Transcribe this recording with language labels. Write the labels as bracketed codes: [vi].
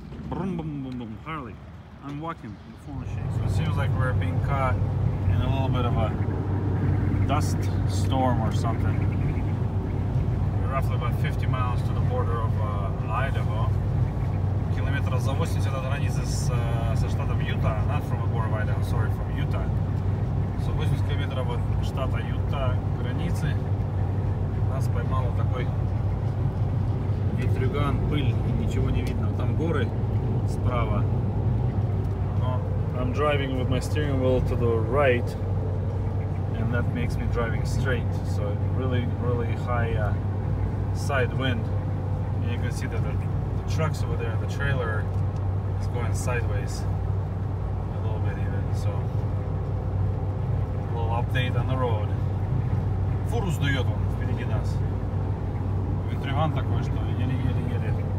[en] Brum, bum, bum, bum. Harley, I'm walking. The phone shakes. So it seems like we're being caught in a little bit of a dust storm or something. We're roughly about 50 miles to the border of Idaho. [ru] Километра за 80 от границы со штатом Юта. [en] Not from the border of Idaho, sorry, from Utah. [ru] So 80 километров от штата Юта границы. Нас поймало такой ветрюган, пыль, ничего не видно. Там горы справа. [en] Но I'm driving with my steering wheel to the right, and that makes me driving straight. So really, really high side wind. And you can see that the trucks over there, the trailer, is going sideways a little bit even. So a little update on the road. [ru] Фуру сдает он впереди нас. Триван такой, что еле-еле-еле.